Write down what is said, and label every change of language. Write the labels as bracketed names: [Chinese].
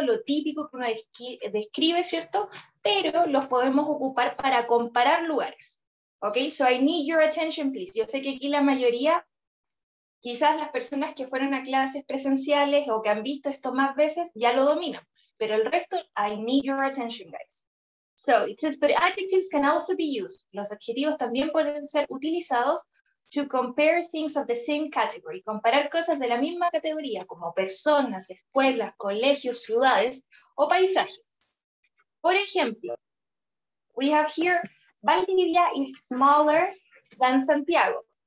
[Spanish] Lo típico que uno describe, ¿cierto? Pero los podemos ocupar para comparar lugares. [English] Ok, so I need your attention, please. [Spanish] Yo sé que aquí la mayoría, quizás las personas que fueron a clases presenciales o que han visto esto más veces, ya lo dominan. Pero el resto, [English] I need your attention, guys. So, it says, but adjectives can also be used. [Spanish] Los adjetivos también pueden ser utilizados [English] to compare things of the same category. [Spanish] Comparar cosas de la misma categoría, como personas, escuelas, colegios, ciudades o paisajes. Por ejemplo, [English] we have here, Valdivia is smaller than Santiago.